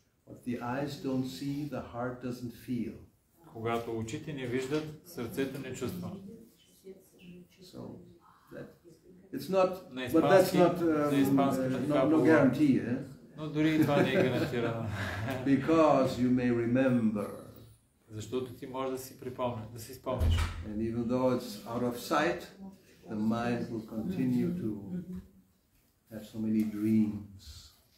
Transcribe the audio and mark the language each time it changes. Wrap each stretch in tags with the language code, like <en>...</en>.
<en>What the eyes don't see, the heart doesn't feel.</en> <bg>Когато очите не виждат, сърцето не чувства.</bg> <en>So, it's not, but that's not, no guarantee, eh?</en> <bg>Но дори и това не е гарантирано.</bg> <en>Because you may remember.</en> <bg>Защото ти може да си припомня, да си спомниш.</bg> <en>And even though it's out of sight, the mind will continue to have so many dreams.</en>